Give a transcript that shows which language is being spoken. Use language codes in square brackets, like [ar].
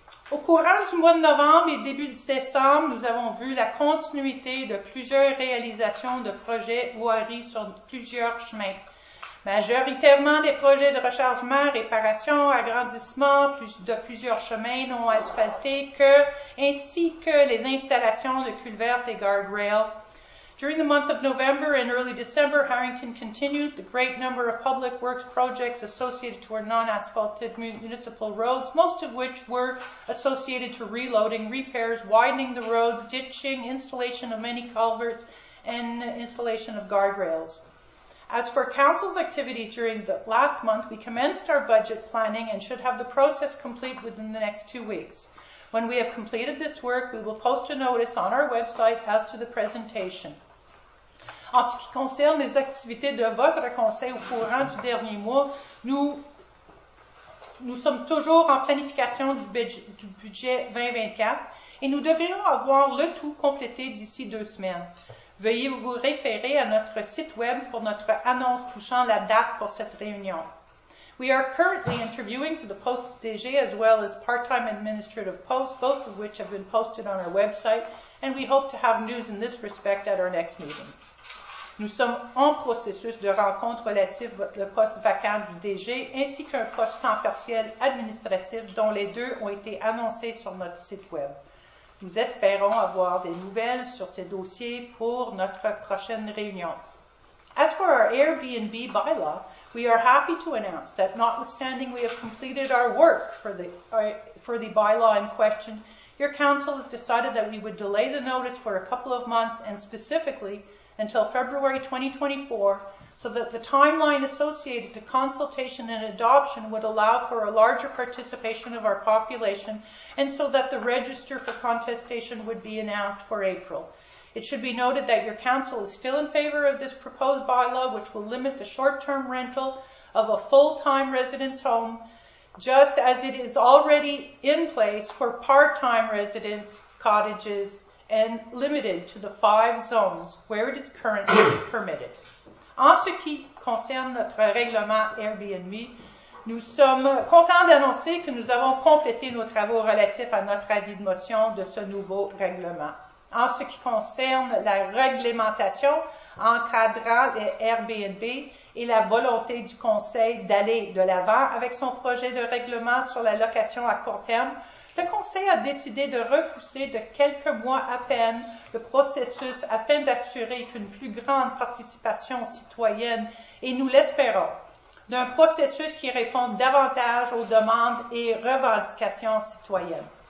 [fr] Au courant du mois de novembre et début de décembre, nous avons vu la continuité de plusieurs réalisations de projets voiries sur plusieurs chemins. Majoritairement des projets de rechargement, réparation, agrandissement de plusieurs chemins non asphaltés, ainsi que les installations de culvertes et guardrails. [en] During the month of November and early December, Harrington continued the great number of public works projects associated to our non-asphalted municipal roads, most of which were associated to reloading, repairs, widening the roads, ditching, installation of many culverts, and installation of guardrails. As for Council's activities during the last month, we commenced our budget planning and should have the process complete within the next 2 weeks. When we have completed this work, we will post a notice on our website as to the presentation. [fr] En ce qui concerne les activités de votre conseil au courant du dernier mois, nous sommes toujours en planification du budget 2024 et nous devrions avoir le tout complété d'ici 2 semaines. Veuillez vous référer à notre site web pour notre annonce touchant la date pour cette réunion. [en] We are currently interviewing for the post DG as well as part-time administrative posts, both of which have been posted on our website, and we hope to have news in this respect at our next meeting. [fr] Nous sommes en processus de rencontre relative au poste vacant du DG ainsi qu'un poste temps partiel administratif dont les deux ont été annoncés sur notre site web. Nous espérons avoir des nouvelles sur ces dossiers pour notre prochaine réunion. [en] As for our Airbnb bylaw, we are happy to announce that notwithstanding we have completed our work for the bylaw in question, your council has decided that we would delay the notice for a couple of months and specifically until February 2024, so that the timeline associated to consultation and adoption would allow for a larger participation of our population, and so that the register for contestation would be announced for April. It should be noted that your council is still in favor of this proposed bylaw, which will limit the short-term rental of a full-time residence home, just as it is already in place for part-time residence cottages and limited to the 5 zones where it is currently permitted. [fr] En ce qui concerne notre règlement Airbnb, nous sommes contents d'annoncer que nous avons complété nos travaux relatifs à notre avis de motion de ce nouveau règlement. En ce qui concerne la réglementation encadrant les Airbnb et la volonté du Conseil d'aller de l'avant avec son projet de règlement sur la location à court terme, le Conseil a décidé de repousser de quelques mois à peine le processus afin d'assurer qu'une plus grande participation citoyenne, et nous l'espérons, d'un processus qui réponde davantage aux demandes et revendications citoyennes.